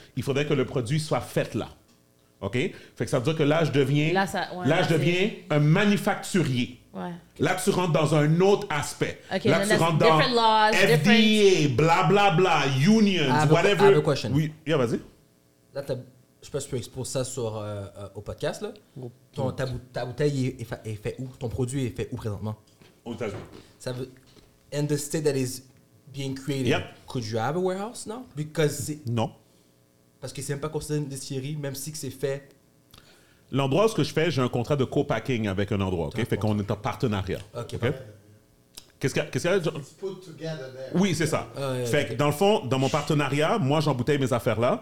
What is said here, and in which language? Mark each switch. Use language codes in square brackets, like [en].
[fr] Il faudrait que le produit soit fait là. OK? Fait que ça veut dire que là, je deviens, je deviens un manufacturier. Ouais. Là, tu rentres dans un autre aspect. [en] Okay, [fr] là, tu rentres dans [en] laws, FDA, blablabla, unions, whatever. I have a question. [fr] Oui, yeah, vas-y. Là, je pense que tu peux exposer ça sur, au podcast. Là. Ta bouteille est fait où? Ton produit est fait où présentement? Aux États-Unis. Ça veut, [en] in the state that is being created, yep. Could you have a warehouse now? Because [fr] c'est, non. Parce que c'est même pas considéré une distillerie, même si que c'est fait. L'endroit où ce que je fais, j'ai un contrat de co-packing avec un endroit. Okay? Fait qu'on est en partenariat. [en] OK. Okay? [fr] Qu'est-ce qu'il y a? [en] It's put together there. [fr] Oui, c'est ça. Fait que dans le fond, dans mon partenariat, moi, j'embouteille mes affaires là.